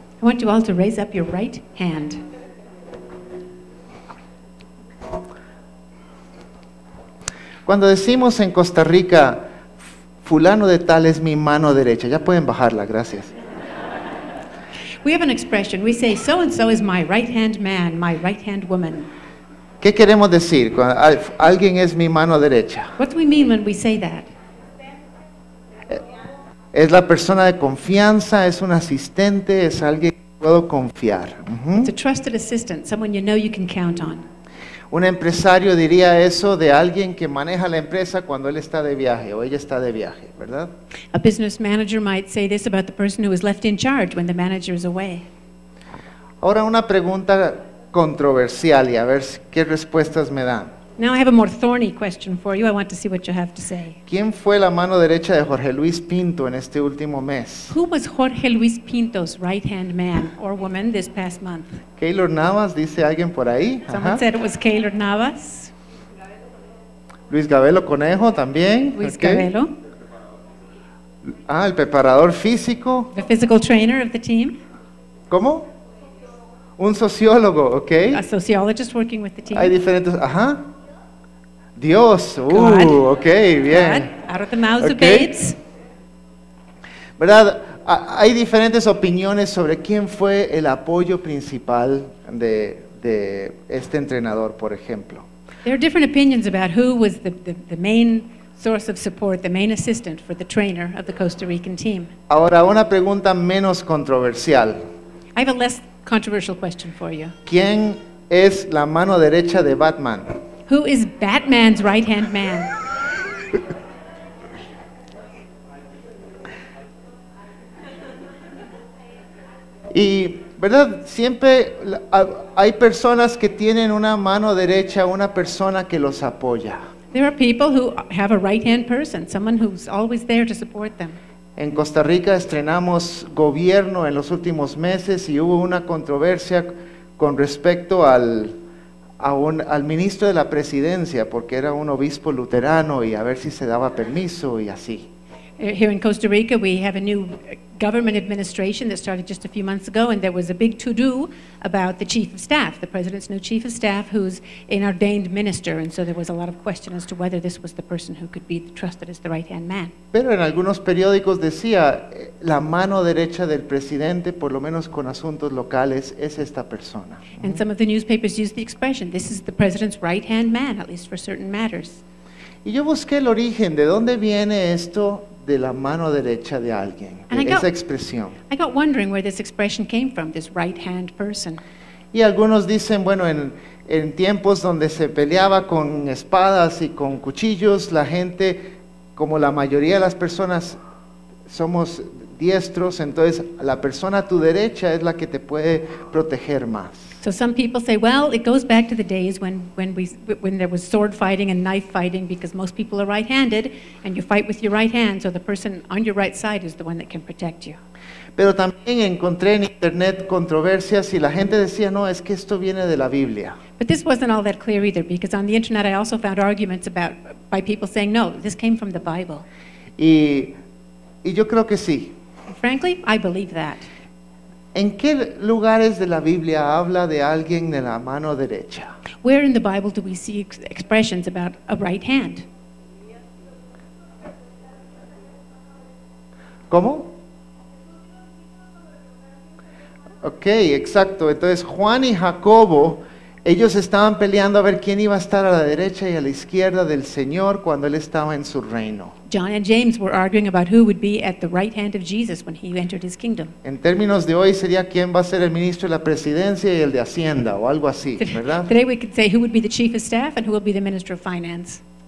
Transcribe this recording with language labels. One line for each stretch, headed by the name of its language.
English: I want you all to raise up your right hand.
Spanish: Cuando decimos en Costa Rica, fulano de tal es mi mano derecha, ya pueden bajarla, gracias.
English: We have an expression, we say so and so is my right hand man, my right hand woman.
Spanish: ¿Qué queremos decir cuando alguien es mi mano derecha?
English: What do we mean when we say that?
Spanish: Es la persona de confianza, es un asistente, es alguien que puedo confiar.
English: It's a trusted assistant, someone you know you can count on.
Spanish: Un empresario diría eso de alguien que maneja la empresa cuando él está de viaje o ella está de viaje, ¿verdad?
English: A business manager might say this about the person who is left in charge when the manager is away.
Spanish: Ahora una pregunta controversial y a ver qué respuestas me dan.
English: Now I have a more thorny question for you. I want to see what you have to say.
Spanish: ¿Quién fue la mano derecha de Jorge Luis Pinto en este último mes?
English: Who was Jorge Luis Pinto's right-hand man or woman this past month?
Spanish: Keylor Navas, dice alguien por ahí.
English: Someone said it was Keylor Navas.
Spanish: Luis Gabelo Conejo también. Luis Gabelo. Ah, el preparador físico.
English: The physical trainer of the team.
Spanish: ¿Cómo? Un sociólogo, ¿ok?
English: A sociologist working with the team.
Spanish: Hay diferentes, ajá. Dios, okay, bien.
English: God, out of the mouths of babes.
Spanish: ¿Verdad? Hay diferentes opiniones sobre quién fue el apoyo principal de este entrenador, por ejemplo.
English: There are different opinions about who was the main source of support, the main assistant for the trainer of the Costa Rican team.
Spanish: Ahora una pregunta menos controversial.
English: I have a less controversial question for you.
Spanish: ¿Quién es la mano derecha de Batman?
English: Who is Batman's right-hand man?
Spanish: Y, ¿verdad? Siempre hay personas que tienen una mano derecha, una persona que los apoya.
English: There are people who have a right-hand person, someone who's always there to support them.
Spanish: En Costa Rica estrenamos gobierno en los últimos meses y hubo una controversia con respecto al ministro de la presidencia porque era un obispo luterano y a ver si se daba permiso y así.
English: Here in Costa Rica we have a new government administration that started just a few months ago and there was a big to-do about the chief of staff, the president's new chief of staff who's an ordained minister and so there was a lot of question as to whether this was the person who could be trusted as the right-hand man.
Spanish: Pero en algunos periódicos decía la mano derecha del presidente, por lo menos con asuntos locales, es esta persona.
English: And some of the newspapers used the expression, this is the president's right-hand man, at least for certain matters.
Spanish: Y yo busqué el origen, ¿de dónde viene esto? De la mano derecha de alguien, esa expresión.
English: I got wondering where this expression came from, this right-hand person.
Spanish: Y algunos dicen, bueno, en tiempos donde se peleaba con espadas y con cuchillos, la gente, como la mayoría de las personas, somos diestros, entonces la persona a tu derecha es la que te puede proteger más.
English: So some people say, well, it goes back to the days when there was sword fighting and knife fighting because most people are right-handed and you fight with your right hand, so the person on your right side is the one that can protect you.
Spanish: Pero también encontré en internet controversias y la gente decía, no, es que esto viene de la Biblia.
English: But this wasn't all that clear either because on the internet I also found arguments about by people saying, no, this came from the Bible.
Spanish: Y yo creo que sí.
English: Frankly, I believe that.
Spanish: ¿En qué lugares de la Biblia habla de alguien de la mano derecha?
English: Where in the Bible do we see expressions about a right hand?
Spanish: ¿Cómo? Okay, exacto. Entonces Juan y Jacobo, ellos estaban peleando a ver quién iba a estar a la derecha y a la izquierda del Señor cuando él estaba en su reino.
English: John and James were arguing about who would be at the right hand of Jesus when he entered his kingdom.
Spanish: En términos de hoy sería quién va a ser el ministro de la presidencia y el de Hacienda o algo así, ¿verdad?
English: Today we could say who would be the chief of staff and who will be the minister of finance.